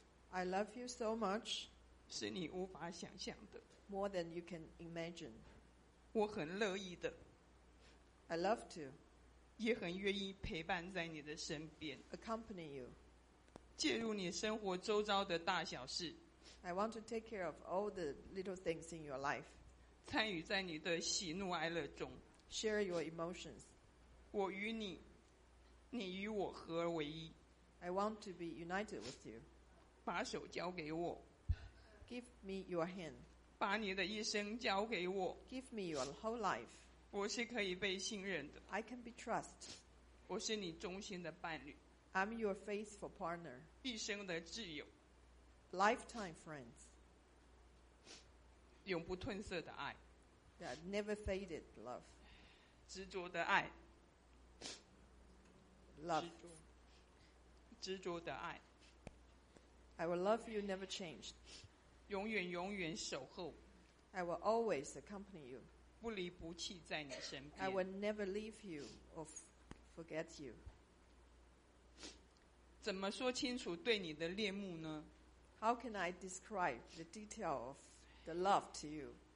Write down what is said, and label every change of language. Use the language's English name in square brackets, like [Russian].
[English] I love you so much. [Chinese] 是你无法想象的。 [English] More than you can imagine. [Chinese] 我很乐意的。 [English] I love to. [Chinese] 也很愿意陪伴在你的身边。 [English] Accompany you. [Chinese] 介入你生活周遭的大小事。 [English] I want to take care of all the little things in your life. [Chinese] 参与在你的喜怒哀乐中。 [English] Share your emotions. [Chinese] 我与你，你与我合而为一。 [English] I want to be united with you. [Chinese] 把手交给我。 [English] Give me your hand. [Chinese] 把你的一生交给我。 [English] Give me your whole life. [Chinese] 我是可以被信任的。 [English] I can be trust. [Chinese] 我是你忠心的伴侣。 [English] I'm your faithful partner. [Chinese] 一生的挚友。 [English] Lifetime friends. [Chinese] 永不褪色的爱。 [English] That never faded love. [Chinese] 执着的爱。 [English] Love. [Chinese] 执着的爱。 [English] I will love you never changed. [Chinese] 永远永远守候。 [English] I will always accompany you. [Chinese] 不离不弃在你身边。 [English] I will never leave you or forget you. [Chinese] 怎么说清楚对你的恋慕呢？ [English] How can I describe the detail of the love to you?